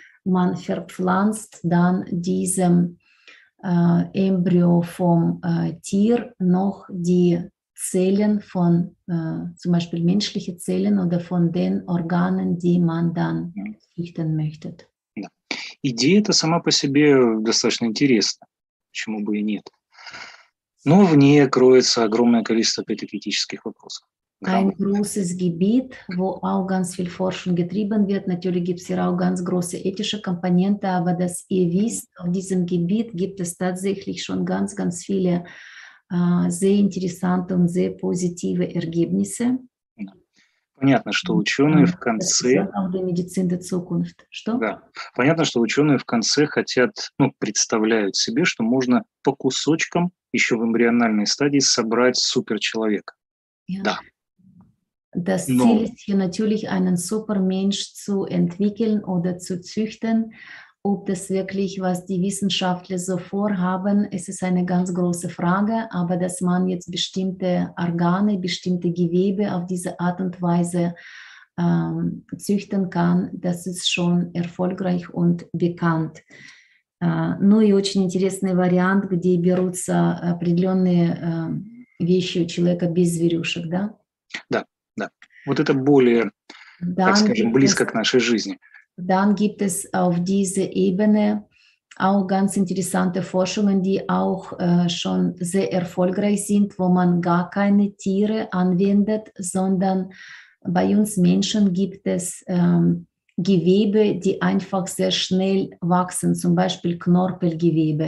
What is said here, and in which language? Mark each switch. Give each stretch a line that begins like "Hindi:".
German: Man verpflanzt dann diesem Embryo vom Tier noch die Zellen von zum Beispiel menschliche Zellen oder von den Organen, die man dann züchten möchte. Ja.
Russian: Idee это сама по себе достаточно интересна, почему бы и нет. Но в ней кроется огромное количество этических вопросов.
German: Ein großes Gebiet, wo auch ganz viel Forschung getrieben wird. Natürlich gibt es hier auch ganz große ethische Komponente, aber dass ihr wisst, auf diesem Gebiet gibt es tatsächlich schon ganz, ganz viele sehr interessante und sehr positive Ergebnisse.
Russian: Понятно, что ученые в конце... Для медицин
German: der Zukunft.
Russian: Что? Да. Понятно, что ученые в конце хотят, ну, представляют себе, что можно по кусочкам еще в эмбриональной стадии собрать суперчеловека. Yeah. Да.
German: Das Ziel ist hier natürlich, einen Supermensch zu entwickeln oder zu züchten. Ob das wirklich, was die Wissenschaftler so vorhaben, es ist eine ganz große Frage. Aber dass man jetzt bestimmte Organe, bestimmte Gewebe auf diese Art und Weise züchten kann, das ist schon erfolgreich und bekannt.
Russian: Ну и очень интересный вариант, где берутся определенные вещи у человека без зверюшек, да? Да. Вот это более, dann так скажем, близко к нашей жизни.
German: Dann gibt es auf dieser Ebene auch ganz interessante Forschungen, die auch schon sehr erfolgreich sind, wo man gar keine Tiere anwendet, sondern bei uns Menschen gibt es Gewebe, die einfach sehr schnell wachsen, zum Beispiel Knorpelgewebe.